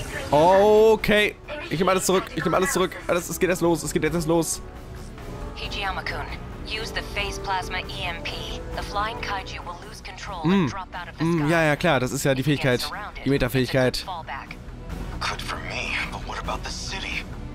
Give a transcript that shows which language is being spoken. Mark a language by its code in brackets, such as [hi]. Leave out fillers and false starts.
[de] Okay, ich nehme alles zurück, Alles, es geht jetzt los. [en] Hijiyama-kun. Use the phase plasma EMP. The flying kaiju will lose control and drop out of the sky. [de] Ja, klar, das ist ja die Fähigkeit, die Meta-Fähigkeit. [en] Good for me, but what about the city?